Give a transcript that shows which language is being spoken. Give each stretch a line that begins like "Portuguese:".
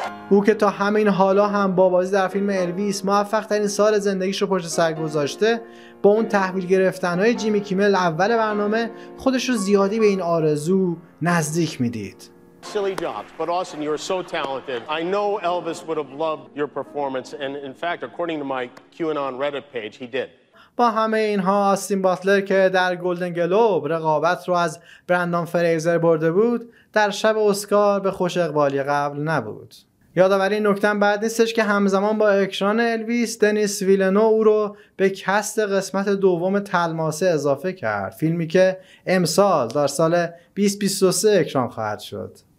Persian: او که تا همین حالا هم با بازی در فیلم الویس موفق ترین سال زندگیش رو پشت سر گذاشته، با اون تحویل گرفتن های جیمی کیمل اول برنامه خودش رو زیادی به این آرزو نزدیک میدید.
English: Silly jobs, but Austin, you are so talented. I know Elvis would have loved your performance, and in fact, according to my QAnon Reddit page, he did.
Persian: با همه اینها آستین باتلر که در گلدن گلوب رقابت رو از برندان فریزر برده بود، در شب اسکار به خوش اقبالی قبل نبود. یادآور این نکته بعد نیستش که همزمان با اکران الویس، دنیس ویلنو او رو به کست قسمت دوم تلماسه اضافه کرد، فیلمی که امسال در سال 2023 اکران خواهد شد.